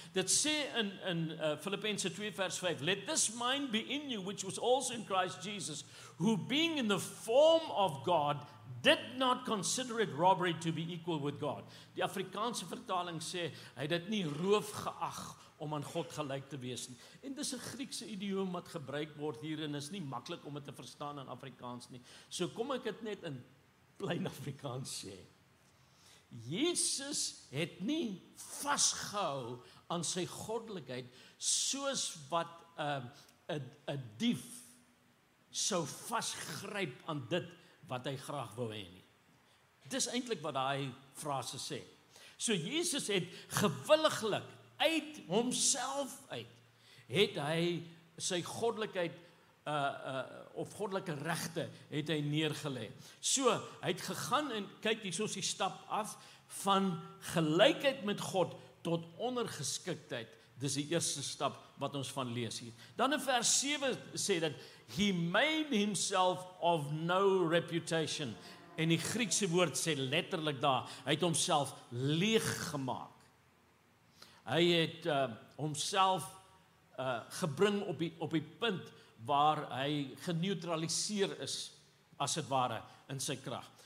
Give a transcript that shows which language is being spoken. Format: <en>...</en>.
<af>Dit sê in Filippense 2 vers 5,</af> <en>let this mind be in you which was also in Christ Jesus, who being in the form of God, did not consider it robbery to be equal with God.</en> <af>Die Afrikaanse vertaling sê, hy het dit nie roof geag om aan God gelyk te wees nie. En dis 'n Griekse idioom wat gebruik word hier en is nie maklik om dit te verstaan in Afrikaans nie. So kom ek dit net in plain Afrikaans sê. Jesus het nie vasgehou aan sy goddelikheid soos wat 'n dief sou vasgryp aan dit wat hy graag wou hê nie. Dis eintlik wat daai frase sê. So Jesus het gewilliglik uit homself uit het hy sy goddelikheid of goddelike regte het hy neergelê. So hy het gegaan en kyk hiersoos die stap af van gelykheid met God tot ondergeskiktheid. Dis die eerste stap wat ons van lees hier. Dan in vers 7 sê dat</af> <en>he made himself of no reputation.</en> <af>En die Griekse woord sê letterlik daar, hy het homself leeg gemaak. Hy het homself gebring op die punt waar hy geneutraliseer is, as het ware, in sy krag.</af>